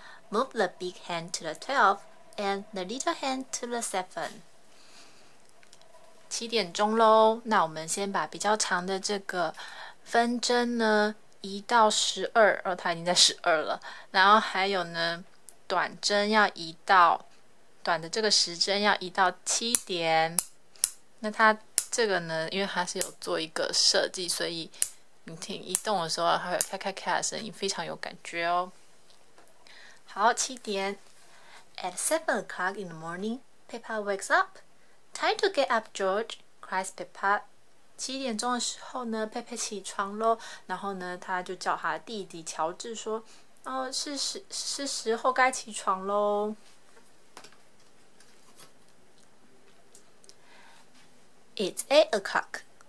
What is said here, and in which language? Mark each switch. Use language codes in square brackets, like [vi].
[en] Move the big hand to the 12 and the little hand to the 7. [zh] 7点钟喽，那我们先把比较长的这个分针呢移到12，哦，它已经在12了。然后还有呢，短的这个时针要移到7点。那它这个呢，因为它是有做一个设计，所以你听移动的时候，它会咔咔咔的声音，非常有感觉哦。好，7点。 [en] At 7 o'clock in the morning, Peppa wakes up. Time to get up, George, cries Peppa. [zh] 7点钟的时候呢，佩佩起床喽。然后呢，他就叫他弟弟乔治说："哦，是时候该起床喽。 "It's 8 o'clock.